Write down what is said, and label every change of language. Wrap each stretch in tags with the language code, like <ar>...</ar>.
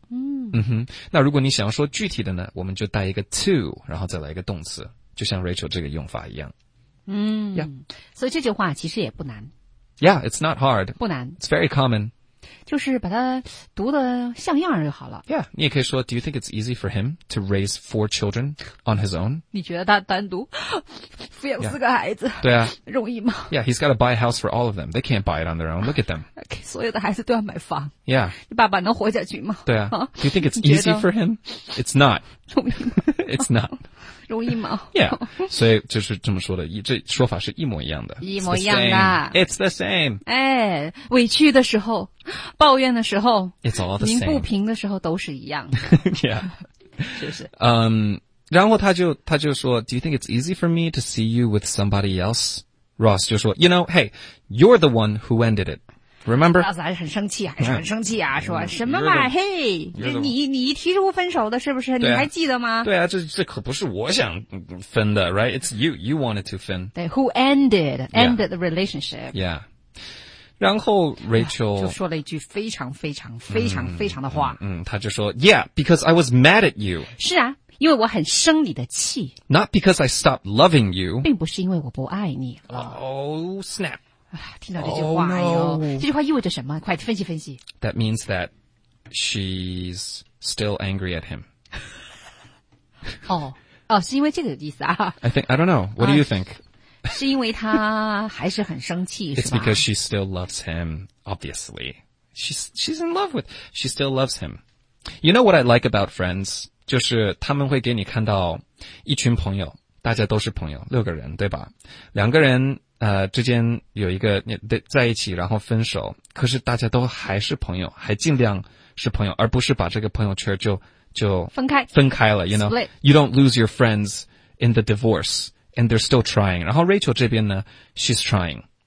<zh>Mm. 嗯哼。那如果你想要说具体的呢，我们就带一个 to， 然后再来一个动词，就像 Rachel 这个用法一样。嗯、 yeah. 所以这句话其实也不难。</zh> <en>Yeah, it's not hard.</en> <zh>不难。</zh> <en>It's very common.</en> <zh>就是把它读得像样就好了。</zh> <en>Yeah,</en> <zh>你也可以说</zh> <en>Do you think it's easy for him to raise 4 children on his own?</en> <zh>你觉得他单独抚养四个孩子、 yeah. 对啊，容易吗？ Yeah, he's got to buy a house for all of them. They can't buy it on their own. Look at them. 所有的孩子都要买房。 Yeah. 你爸爸能活下去吗？对啊。</zh> <en>Do you think it's easy for him? It's not.</en> <zh>容易吗？</zh> <en>It's not.</en> <zh>容易吗？Yeah， 所以就是这么说的，这说法是一模一样的，一模一样的。</zh> <en>It's the same。</en> <zh>哎，委屈的时候，抱怨的时候</zh> <en>，It's all the same。</en> <zh>鸣不平的时候都是一样的。 Yeah，是不是？然后他就说</zh> <en>，Do you think it's easy for me to see you with somebody else？ Ross</en> <zh>就说</zh> <en>，You know， hey， you're the one who ended it。Remember，</en> <zh>老子还是很生气，还是很生气啊！ Yeah. 说什么嘛？嘿， hey, 你提出分手的是不是？啊、你还记得吗？对啊，这可不是我想分的 ，right？</zh> <en>It's you wanted to</en> <zh>分。</zh> <en>对 ，who ended the relationship？</en> <zh>Yeah， 然后 Rachel 就说了一句非常非常非常非常的话。他就说</zh> <en>，Yeah， because I was mad at you。</en> <zh>是啊，因为我很生你的气。</zh> <en>Not because I stopped loving you。</en> <zh>并不是因为我不爱你了。</zh> <en>Oh snap！</en> <zh>听到这句话、这句话意味着什么？快分析分析。</zh> <en>That means that she's still angry at him.</en> <zh>哦，是因为这个意思啊</zh> <en>？I think I don't know. What do you think?</en> <zh>是因为他还是很生气</zh> <en>？It's because she still loves him. Obviously, she's in love with. She still loves him. You know what I like about friends?</en> <zh>就是他们会给你看到一群朋友，大家都是朋友，六个人对吧？两个人。之间有一个在一起然后分手，可是大家都还是朋友，还尽量是朋友，而不是把这个朋友圈就分开了</zh> <en>you know、 Split. You don't lose your friends in the divorce and they're still trying.</en> <zh>然后 Rachel 这边呢</zh> <en>she's trying</en>